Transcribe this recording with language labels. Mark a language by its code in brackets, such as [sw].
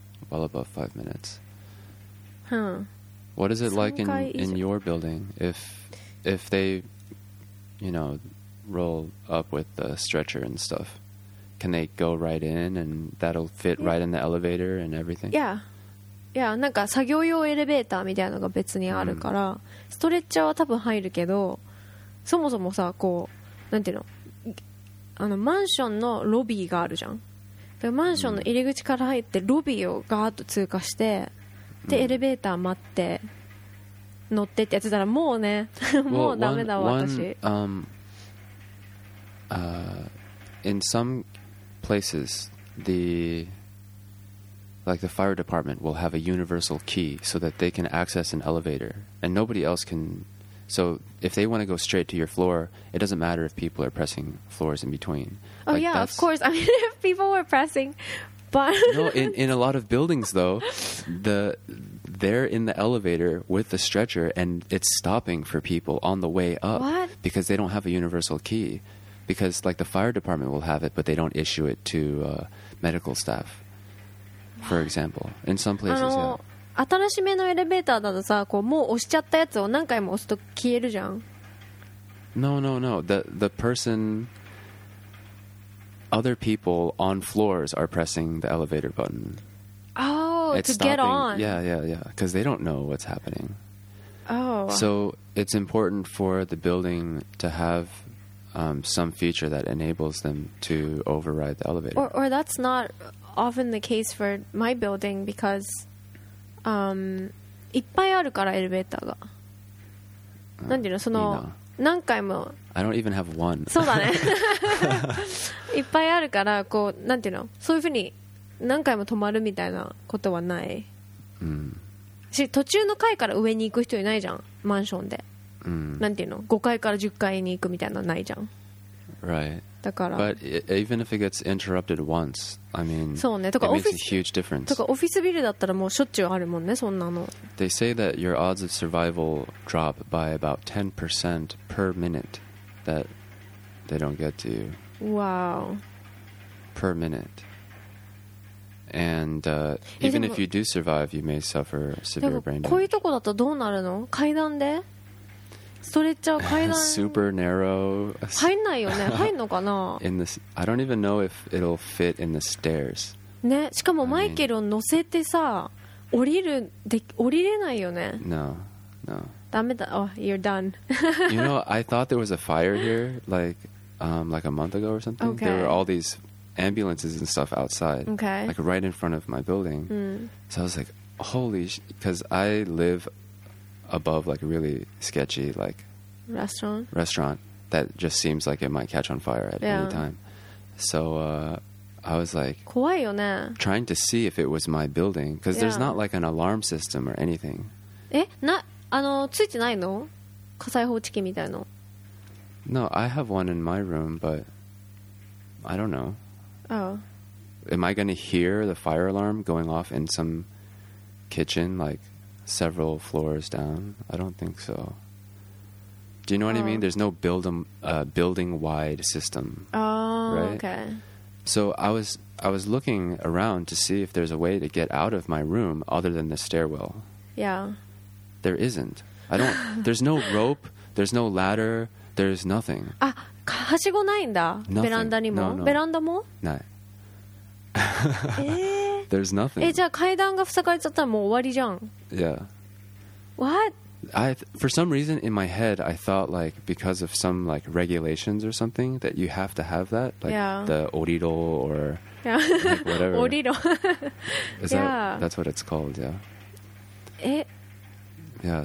[en] Well above 5 minutes. Huh. What is it like in your building if they, you know, roll up with the stretcher and stuff? Can they go right in and that'll fit right in the elevator and everything? Yeah. [ja] いや、なんか作業用エレベーターみたいなのが別にあるから、うん、ストレッチャーは多分入るけど、そもそもさ、こうなんていうの、あのマンションのロビーがあるじゃん。だからマンションの入り口から入ってロビーをガーッと通過して、うん、でエレベーター待って乗ってってやってたらもうね、もうダメだわ私。 [en] In some places, the like the fire department will have a universal key so that they can access an elevator, and nobody else can. So if they want to go straight to your floor, it doesn't matter if people are pressing floors in between. Oh, like, yeah, of course. I mean, if people were pressing, but no, in a lot of buildings though, they're in the elevator with the stretcher and it's stopping for people on the way up. What? Because they don't have a universal key. Because like the fire department will have it, but they don't issue it to medical staff, for example. In some places, yeah. [ja] 新しめのエレベーターだとさ、こうもう押しちゃったやつを何回も押すと消えるじゃん。 [en] No, no, no. The person, other people on floors are pressing the elevator button. Oh, it's to get on. Yeah, yeah, yeah. Because they don't know what's happening. Oh. So it's important for the building to have some feature that enables them to override the elevator. Or that's not often the case for my building because [ja] いっぱいあるからエレベーターが。なんていうの、その、何回も。 [en] I don't even have one. [ja] そうだね。いっぱいあるから、こう、なんていうの、そういうふうに何回も止まるみたいなことはない。し、途中の階から上に行く人いないじゃん、マンションで。なんていうの、5階から10階に行くみたいなのないじゃん。 [en] Right. [ja] だから。 [en] But even if it gets interrupted once, I mean, [ja] そうね。 [en] とか、it makes a huge difference. [ja] とか、オフィスビルだったらもうしょっちゅうあるもんね、そんなの。 [en] They say that your odds of survival drop by about 10% per minute that they don't get to you. Wow. Per minute. And even if you do survive, you may suffer severe brain damage. [ja] こういうとこだとどうなるの？階段で？ストレッチャー階段？ [en] Super narrow. [ja] 入んないよね。入んのかな？ [en] I don't even know if it'll fit in the stairs. [ja] ね、しかもマイケルを乗せてさ、降りれないよね。 [en] No, no. [ja] ダメだ。 [en] Oh, you're done. You know, I thought there was a fire here like a month ago or something. Okay. There were all these. Ambulances and stuff outside, okay. Like right in front of my building. So I was like, "Holy!" Because I live above like a really sketchy like restaurant that just seems like it might catch on fire at any time. So I was like, [ja] 怖いよね。 [en] Trying to see if it was my building because there's not like an alarm system or anything. [ja] え、な、あの、ついてないの？火災報知器みたいの。 [en] No, I have one in my room, but I don't know. Oh. Am I going to hear the fire alarm going off in some kitchen like several floors down? I don't think so. Do you know what I mean? There's no building-wide system. Okay. So I was looking around to see if there's a way to get out of my room other than the stairwell. Yeah. There isn't. There's no rope, there's no ladder, there's nothing. [ja] Ah. はしごないんだ、 [en] nothing. [ja] ベランダにも、 [en] no, no. [ja] ベランダもない。 [en] There's nothing. [ja] じゃあ階段が塞がれちゃったらもう終わりじゃん。 [en] Yeah. What? For some reason in my head, I thought like because of some like regulations or something that you have to have that, like the orido or like, whatever. Orido. That's what it's called. Yeah. Yeah.